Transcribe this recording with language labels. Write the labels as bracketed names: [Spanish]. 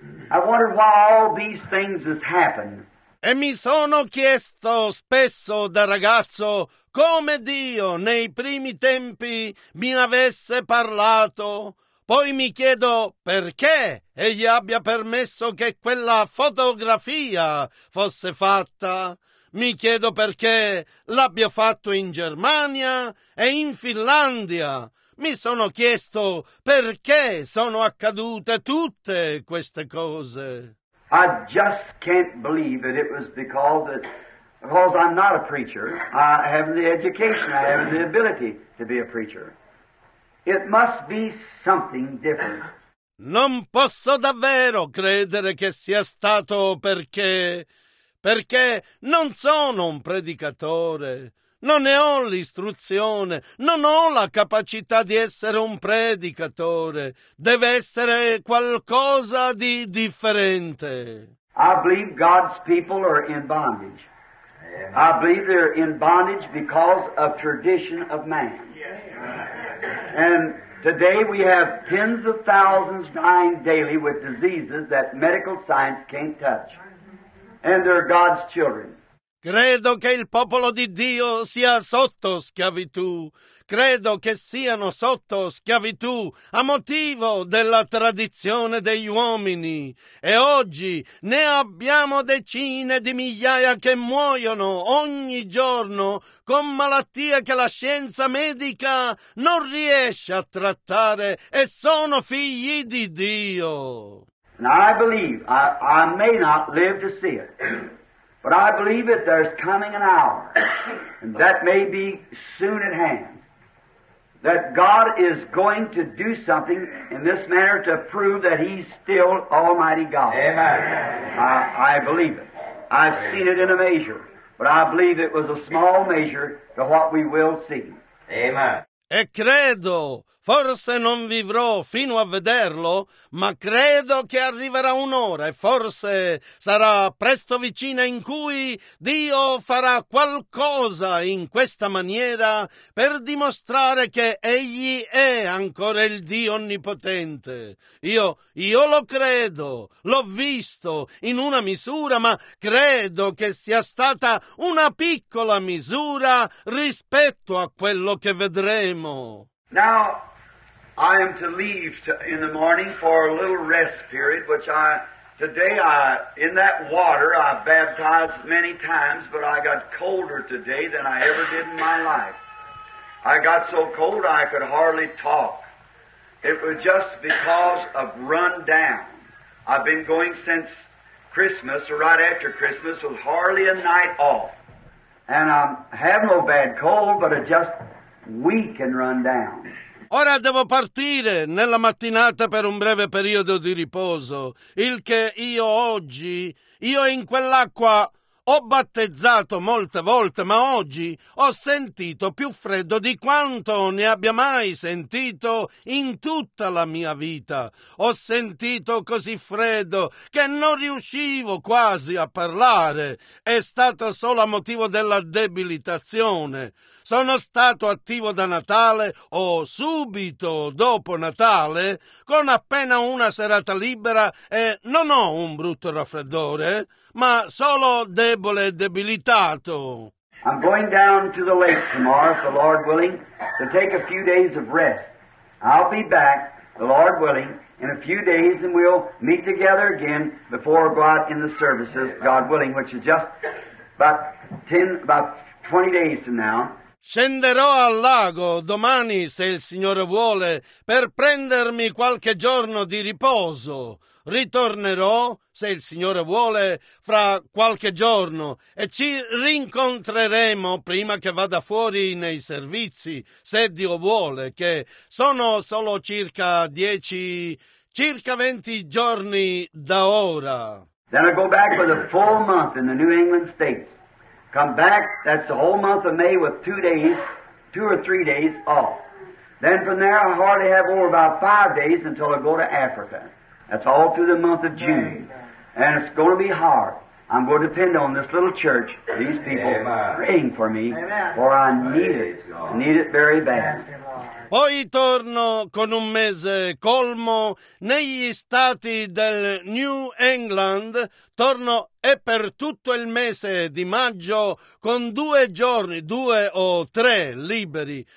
[English] I wonder why all these things has happened. [Italian] E mi sono chiesto spesso da ragazzo come Dio nei primi tempi mi avesse parlato. Poi mi chiedo perché egli abbia permesso che quella fotografia fosse fatta. Mi chiedo perché l'abbia fatto in Germania e in Finlandia. Mi sono chiesto perché sono accadute tutte queste cose. [English] I just can't believe that it was because I'm not a preacher. I haven't the education, I haven't the ability to be a preacher. It must be something different. [Italian] Non posso davvero credere che sia stato perché non sono un predicatore, non ne ho l'istruzione, non ho la capacità di essere un predicatore. Deve essere qualcosa di differente. [English] I believe God's people are in bondage. I believe they're in bondage because of tradition of man. And today we have tens of thousands dying daily with diseases that medical science can't touch. And they're God's children. [Italian] Credo che il popolo di Dio sia sotto schiavitù. Credo che siano sotto schiavitù a motivo della tradizione degli uomini. E oggi ne abbiamo decine di migliaia che muoiono ogni giorno con malattie che la scienza medica non riesce a trattare e sono figli di Dio. [English] Now I believe, I may not live to see it, but I believe that there's coming an hour, and that may be soon at hand, that God is going to do something in this manner to prove that He's still Almighty God. Amen. I believe it. I've seen it in a measure, but I believe it was a small measure to what we will see. Amen. [Italian] E credo, forse non vivrò fino a vederlo, ma credo che arriverà un'ora e forse sarà presto vicina in cui Dio farà qualcosa in questa maniera per dimostrare che Egli è ancora il Dio Onnipotente. Io lo credo, l'ho visto in una misura, ma credo che sia stata una piccola misura rispetto a quello che vedremo. [English] Now, I am to leave in the morning for a little rest period, which today, in that water, I baptized many times, but I got colder today than I ever did in my life. I got so cold I could hardly talk. It was just because of run down. I've been going since Christmas, or right after Christmas, with hardly a night off. And I have no bad cold, but I just... We can run down. [Italian] Ora devo partire nella mattinata per un breve periodo di riposo, il che io in quell'acqua ho battezzato molte volte, ma oggi ho sentito più freddo di quanto ne abbia mai sentito in tutta la mia vita. Ho sentito così freddo che non riuscivo quasi a parlare. È stato solo a motivo della debilitazione. Sono stato attivo da Natale o subito dopo Natale con appena una serata libera e non ho un brutto raffreddore, ma solo debole e debilitato. [English] I'm going down to the lake tomorrow, the Lord willing, to take a few days of rest. I'll be back, the Lord willing, in a few days and we'll meet together again before we go out in the services, God willing, which is just about 20 days from now. [Italian] Scenderò al lago domani, se il Signore vuole, per prendermi qualche giorno di riposo. Ritornerò, se il Signore vuole, fra qualche giorno e ci rincontreremo prima che vada fuori nei servizi, se Dio vuole, che sono solo circa 20 giorni da ora. [English] Then I go back for the full month in the New England States. Come back, that's the whole month of May with two or three days off. Then from there I hardly have over about 5 days until I go to Africa. That's all through the month of June. And it's going to be hard. I'm going to depend on this little church, these people, Amen. Praying for me, Amen. For I need it very bad. [Italian] Poi torno con un mese colmo negli stati del New England, torno e per tutto il mese di maggio con due o tre liberi.